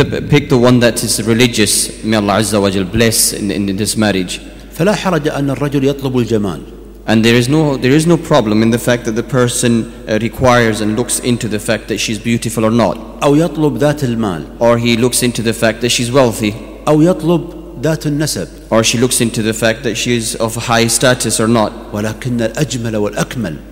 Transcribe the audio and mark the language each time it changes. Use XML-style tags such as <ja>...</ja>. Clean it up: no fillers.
<en>Pick the one that is religious. May Allah Azza wa Jal bless in this marriage.</en> <ar>فلا حرج أن الرجل يطلب الجمال.</ar> <en>And there is no problem in the fact that the person requires and looks into the fact that she's beautiful or not.</en> <ar>أو يطلب ذات المال.</ar> <en>Or he looks into the fact that she's wealthy.</en> <ar>أو يطلب ذات النسب.</ar> <en>or she looks into the fact that she is of high status or not.</en> <ar>ولكن الأجمل والأكمل.</ar>